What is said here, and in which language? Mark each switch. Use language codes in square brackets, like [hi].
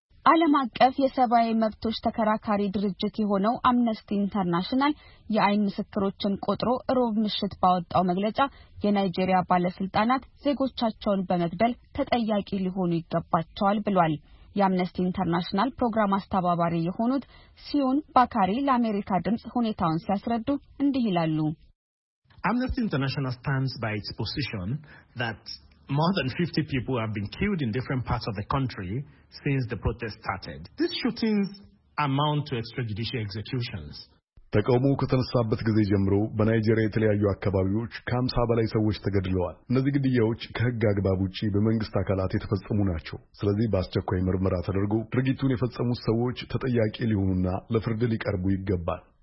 [am] ዓለም አቀፍ የሰብአዊ መብቶች ተከራካሪ ድርጅት የሆነው አምነስቲ ኢንተርናሽናል የአይን ምስክሮችን ቆጥሮ ሮብ ምሽት ባወጣው መግለጫ የናይጄሪያ ባለስልጣናት ዜጎቻቸውን በመግደል ተጠያቂ ሊሆኑ ይገባቸዋል ብሏል። የአምነስቲ ኢንተርናሽናል ፕሮግራም አስተባባሪ የሆኑት ሲዮን ባካሪ ለአሜሪካ ድምጽ ሁኔታውን ሲያስረዱ እንዲህ ይላሉ። [en] Amnesty International stands by its position that more than 50 people have been killed in different parts of the country since the protest started. These shootings amount to extrajudicial executions. [am] ተቃውሞ ከተነሳበት ጊዜ ጀምሮ በናይጄሪያ የተለያዩ አካባቢዎች ከ50 በላይ ሰዎች ተገድለዋል። እነዚህ ግድያዎች ከህግ አግባብ ውጪ በመንግስት አካላት የተፈጸሙ ናቸው። ስለዚህ በአስቸኳይ ምርመራ ተደርጎ ድርጊቱን የፈጸሙት ሰዎች ተጠያቂ ሊሆኑና ለፍርድ ሊቀርቡ ይገባል።